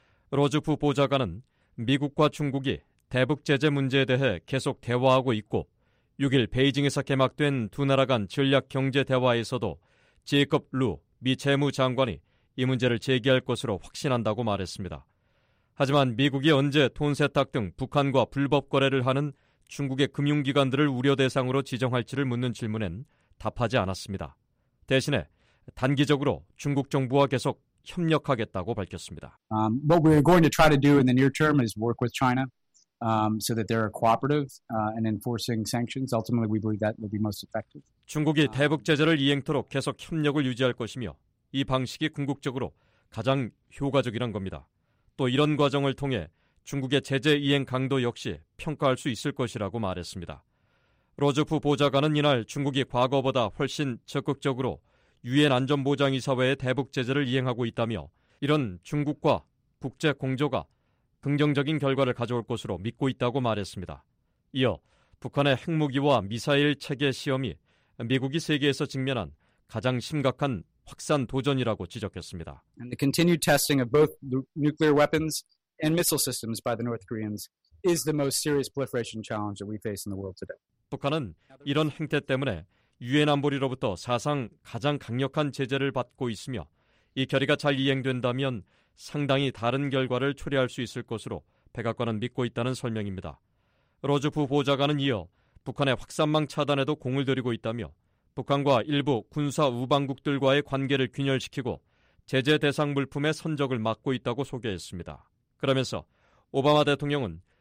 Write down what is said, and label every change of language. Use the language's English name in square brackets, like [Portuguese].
[Korean] 로즈프 보좌관은 미국과 중국이 대북 제재 문제에 대해 계속 대화하고 있고 6일 베이징에서 개막된 두 나라 간 전략 경제 대화에서도 제이콥 루 미 재무 장관이 이 문제를 제기할 것으로 확신한다고 말했습니다. 하지만 미국이 언제 돈 세탁 등 북한과 불법 거래를 하는 중국의 금융기관들을 우려 대상으로 지정할지를 묻는 질문엔 답하지 않았습니다. 대신에 단기적으로 중국 정부와 계속 협력하겠다고 밝혔습니다. [English] What we're going to try to do in the near term is work with China so that they're cooperative and enforcing sanctions. Ultimately, we believe that will be most effective. [Korean] 중국이 대북 제재를 이행토록 계속 협력을 유지할 것이며 이 방식이 궁극적으로 가장 효과적이란 겁니다. 또 이런 과정을 통해 중국의 제재 이행 강도 역시 평가할 수 있을 것이라고 말했습니다. 로즈프 보좌관은 이날 중국이 과거보다 훨씬 적극적으로 유엔 안전보장이사회의 대북 제재를 이행하고 있다며 이런 중국과 국제 공조가 긍정적인 결과를 가져올 것으로 믿고 있다고 말했습니다. 이어 북한의 핵무기와 미사일 체계 시험이 미국이 세계에서 직면한 가장 심각한 확산 도전이라고 지적했습니다. [English] And the continued testing of both nuclear weapons and missile systems by the North Koreans is the most serious proliferation challenge that we face in the world today. [Korean] 북한은 이런 행태 때문에 유엔 안보리로부터 사상 가장 강력한 제재를 받고 있으며 이 결의가 잘 이행된다면 상당히 다른 결과를 초래할 수 있을 것으로 백악관은 믿고 있다는 설명입니다. 로즈프 보좌관은 이어 북한의 확산망 차단에도 공을 들이고 있다며 북한과 일부 군사 우방국들과의 관계를 균열시키고 제재 대상 물품의 선적을 막고 있다고 소개했습니다. 그러면서 오바마 대통령은